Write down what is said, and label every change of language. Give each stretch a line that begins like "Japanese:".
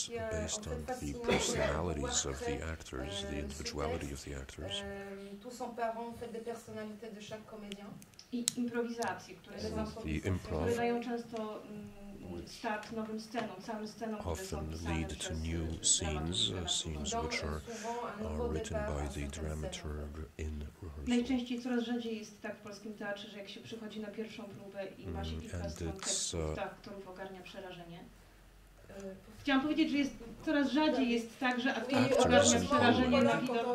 English: Based on the personalities of the actors, the individuality of the actors.
French: Tous en parlant, fait des personnalités de chaque comédien.
Polish: I improwizacji, które są które dają często start nowym scenom, całym scenom, które są
English: lead to new scenes which are written by the dramaturg in rehearsal.
Polish: Najczęściej coraz rzadziej jest tak w polskim teatrze, że jak się przychodzi na pierwszą próbę i ma się kilka stron tekstów, to aktorów ogarnia przerażenie. Chciałam powiedzieć, że jest coraz rzadziej jest tak, że aktorzy ogarnia przerażenie na widok